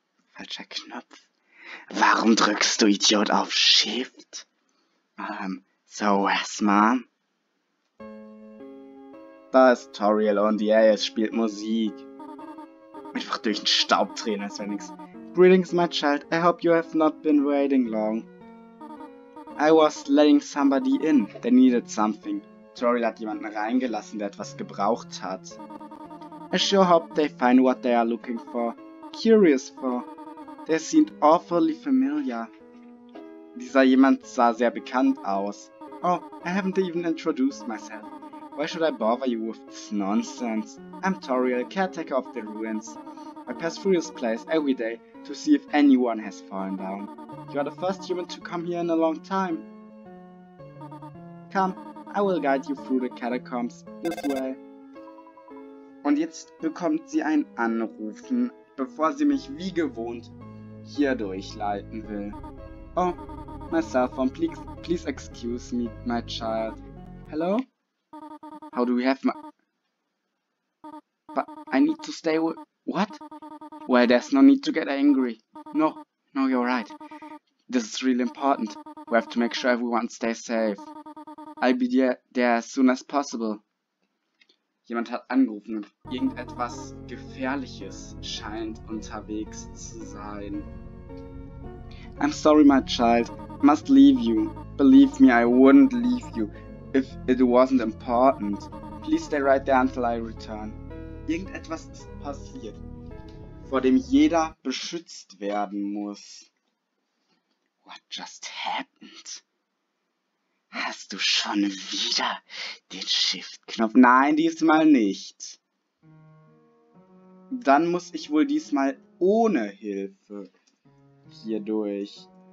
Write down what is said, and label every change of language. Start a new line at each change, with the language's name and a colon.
German: Falscher Knopf. Warum drückst du, Idiot, auf Shift? So was, Mom? Da ist Toriel und
English: yeah,
German: es spielt Musik. Einfach durch den Staub drehen, als wäre nichts.
English: Greetings, my child. I hope you have not been waiting long. I was letting somebody in. They needed something.
German: Toriel hat jemanden reingelassen, der etwas gebraucht hat.
English: I sure hope they find what they are looking for. Curious for. They seemed awfully familiar.
German: Dieser jemand sah sehr bekannt aus.
English: Oh, I haven't even introduced myself. Why should I bother you with this nonsense? I'm Toriel, caretaker of the ruins. I pass through this place every day to see if anyone has fallen down. You are the first human to come here in a long time. Come. I will guide you through the catacombs this way.
German: Und jetzt bekommt sie ein Anrufen, bevor sie mich wie gewohnt hier durchleiten will.
English: Oh, my cell phone, please excuse me, my child. Hello? How do we have my... But I need to stay with... What? Well, there's no need to get angry. No, no, you're right. This is really important. We have to make sure everyone stays safe. I'll be there as soon as possible.
German: Jemand hat angerufen. Irgendetwas Gefährliches scheint unterwegs zu sein.
English: I'm sorry, my child. Must leave you. Believe me, I wouldn't leave you if it wasn't important. Please stay right there until I return.
German: Irgendetwas ist passiert, vor dem jeder beschützt werden muss.
English: What just happened?
German: Hast du schon wieder den Shift-Knopf? Nein, diesmal nicht. Dann muss ich wohl diesmal ohne Hilfe hier durch.